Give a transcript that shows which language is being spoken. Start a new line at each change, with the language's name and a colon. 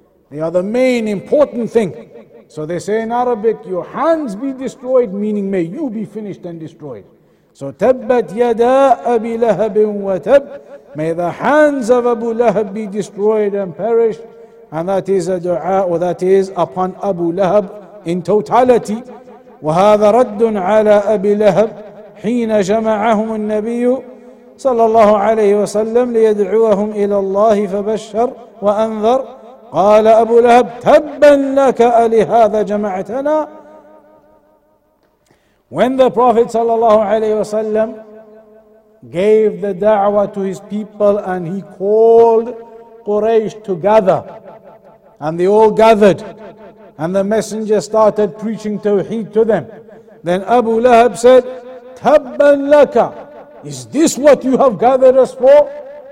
English: They are the main important thing. So they say in Arabic, your hands be destroyed, meaning may you be finished and destroyed. So
Arabic: tabbat yada Abi Lahab wa tab,
English: may the hands of Abu Lahab be destroyed and perish. And that is a dua, or that is upon Abu Lahab in totality.
Arabic: وهذا رد على أبي لهب حين جمعهم النبي صلى الله عليه وسلم ليدعوهم إلى الله فبشر وأنذر. قال أبو لهب تبا لك ألهذا جمعتنا.
English: When the Prophet صلى الله عليه وسلم gave the da'wah to his people and he called Quraysh together, and they all gathered, and the messenger started preaching Tawheed to them, then Abu Lahab said,
Arabic: Tabban laka,
English: is this what you have gathered us for?